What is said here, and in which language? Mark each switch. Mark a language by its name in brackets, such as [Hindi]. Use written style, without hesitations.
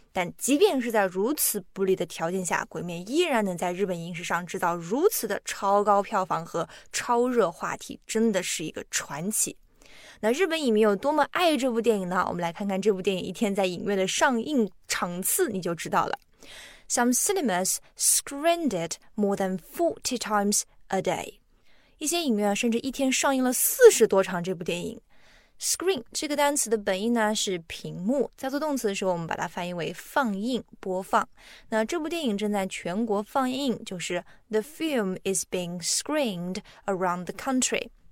[Chinese] 但即便是在如此不利的条件下，鬼灭依然能在日本影史上制造如此的超高票房和超热话题，真的是一个传奇。那日本影迷有多么爱这部电影呢？我们来看看这部电影一天在影院的上映场次，你就知道了。 [English] Some cinemas screened it more than 40 times a day. [Chinese] 一些影院甚至一天上映了40多场这部电影。 Screen 这个单词的本意呢是屏幕，在做动词的时候我们把它翻译为放映播放。那这部电影正在全国放映，就是 [English] The film is being screened around the country。